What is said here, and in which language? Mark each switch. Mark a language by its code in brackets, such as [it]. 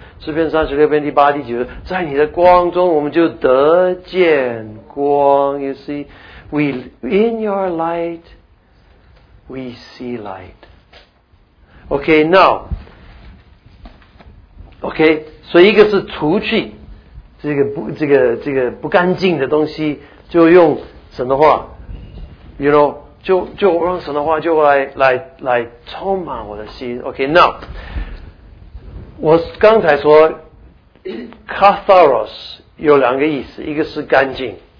[zh] 诗篇三十六篇第八第九，在你的光中，我们就得见光。 [en] You see, we in your light, we see light. Okay, now, okay. [zh] 所以一个是除去这个不干净的东西，就用神的话 ， [en] you know， [zh] 就让神的话就来充满我的心。 [en] Okay, now. [zh] 我刚才说 ，catharos 有两个意思，一个是干净，